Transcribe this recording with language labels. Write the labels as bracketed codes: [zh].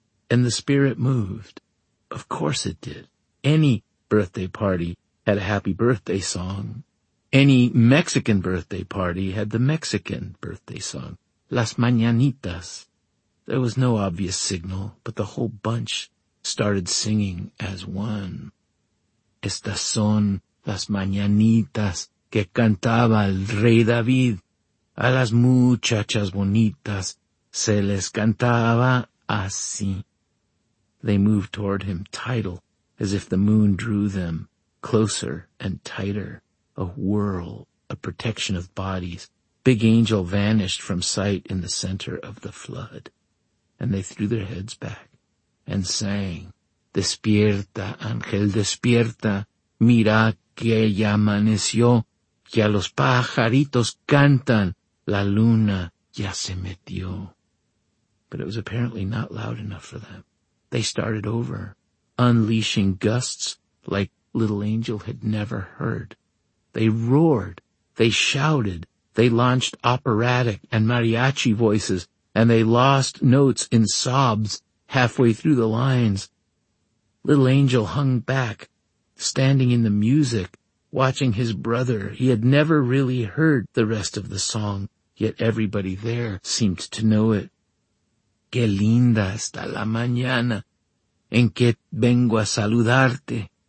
[en] And the spirit moved. Of course it did. Any birthday party had a happy birthday song. Any Mexican birthday party had the Mexican birthday song, Las Mañanitas. There was no obvious signal, but the whole bunch started singing as one. [es] Estas son las mañanitas que cantaba el rey David. A las muchachas bonitas se les cantaba Así. [en] They moved toward him, tidal, as if the moon drew them closer and tighter. A whirl, a protection of bodies. Big Angel vanished from sight in the center of the flood. And they threw their heads back and sang, [es] Despierta, Angel, despierta, mira que ya amaneció, ya los pajaritos cantan, la luna ya se metió. [en] But it was apparently not loud enough for them. They started over, unleashing gusts like Little Angel had never heard. They roared, they shouted, they launched operatic and mariachi voices, and they lost notes in sobs halfway through the lines. Little Angel hung back, standing in the music, watching his brother. He had never really heard the rest of the song, yet everybody there seemed to know it. [es] Qué linda está la mañana, en que vengo a saludarte.